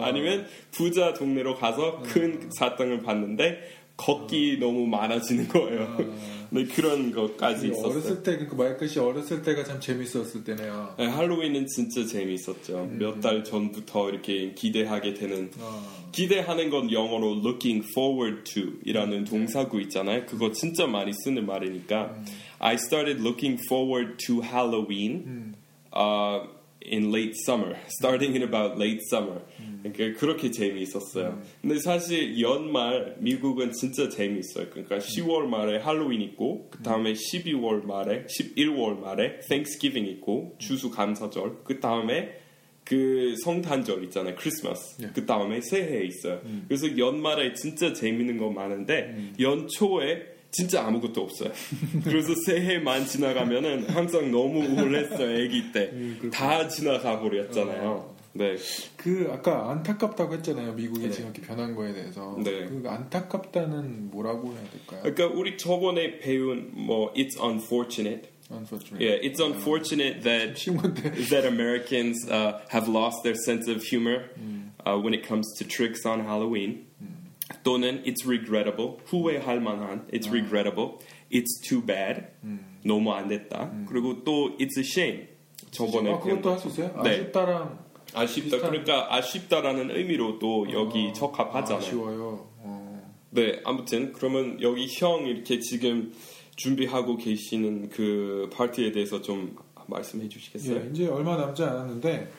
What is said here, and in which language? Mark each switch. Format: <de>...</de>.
<ko>아니면 부자 동네로 가서 큰 사탕을 받는데 걷기 너무 많아지는 거예요. 네, 그런 것까지 있었어요. 어렸을 때, 그러니까 말끝이 어렸을 때가 참 재밌었을 때네요. 네, 할로윈은 진짜 재밌었죠. 몇 달 전부터 이렇게 기대하게 되는 기대하는 건 영어로</ko> <en>looking forward to</en> <ko>이라는 동사구 있잖아요. 그거 진짜 많이 쓰는 말이니까</ko> <en>I started looking forward to Halloween in late summer starting in about late summer</en> <ko>그러니까 그렇게 재미있었어요. 근데 사실 연말 미국은 진짜 재미있어요. 그러니까 10월 말에 할로윈 있고 그 다음에 12월 말에 11월 말에 Thanksgiving 있고 추수감사절 그 다음에 그 성탄절 있잖아요. 크리스마스 그 다음에 새해 있어요. 그래서 연말에 진짜 재미있는 거 많은데 연초에 진짜 아무것도 없어요. 그래서 새해만 지나가면은 항상 너무 우울했어요. 아기 때 다 지나가 버렸잖아요. 네. 그 아까 안타깝다고 했잖아요. 미국이 지금 이렇게 변한 거에 대해서. 네. 그 안타깝다는 뭐라고 해야 될까요? 그러니까 우리 저번에 배운 뭐</ko> <en>it's unfortunate. Yeah, it's unfortunate that Americans have lost their sense of humor when it comes to tricks on Halloween.</en> <ko>또는</ko> <en>it's regrettable,</en> <ko>후회할 만한,</ko> <en>it's regrettable, it's too bad,</en> <ko>너무 안 됐다. 그리고 또</ko> <en>it's a shame.</en> <ko>저번에 아, 그것도 할 수 있어요? 네. 아쉽다랑 아쉽다. 비슷한... 그러니까 아쉽다라는 의미로 또 여기 적합하잖아요. 아쉬워요. 네, 아무튼 그러면 여기 형 이렇게 지금 준비하고 계시는 그 파티에 대해서 좀 말씀해 주시겠어요? 예, 이제 얼마 남지 않았는데.</ko>